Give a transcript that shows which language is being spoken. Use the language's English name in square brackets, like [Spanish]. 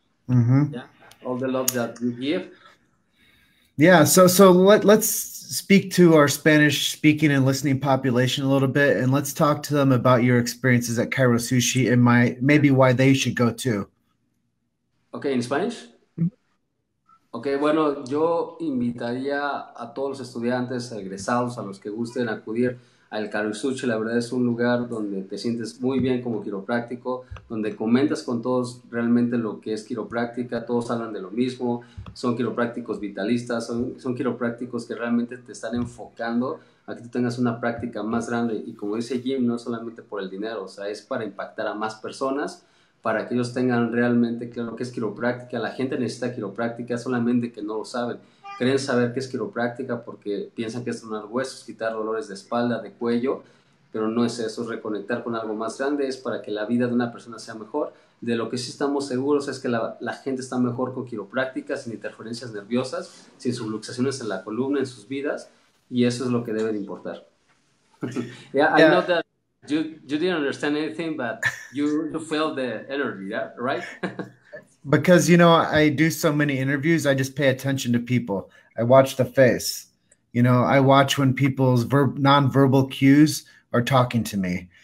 [English] mm-hmm. Yeah? All the love that you give. Yeah, so let's speak to our Spanish-speaking and listening population a little bit, and let's talk to them about your experiences at Chiro Sushi and maybe why they should go too. Okay, in Spanish? [Spanish] Okay, bueno, yo invitaría a todos los estudiantes, egresados, a los que gusten acudir al Chiro Sushi. La verdad es un lugar donde te sientes muy bien como quiropráctico, donde comentas con todos realmente lo que es quiropráctica, todos hablan de lo mismo, son quiroprácticos vitalistas, son quiroprácticos que realmente te están enfocando a que tú tengas una práctica más grande. Y como dice Jim, no solamente por el dinero, o sea, es para impactar a más personas, para que ellos tengan realmente claro qué es quiropráctica. La gente necesita quiropráctica, solamente que no lo saben. Creen saber qué es quiropráctica porque piensan que es sanar huesos, quitar dolores de espalda, de cuello, pero no es eso, reconectar con algo más grande es para que la vida de una persona sea mejor. De lo que sí estamos seguros es que la gente está mejor con quiroprácticas, sin interferencias nerviosas, sin subluxaciones en la columna, en sus vidas, y eso es lo que debe de importar. [English] Yeah, I know that you didn't understand anything, but you felt the energy, yeah, right? Because, you know, I do so many interviews, I just pay attention to people. I watch the face. You know, I watch when people's nonverbal cues are talking to me.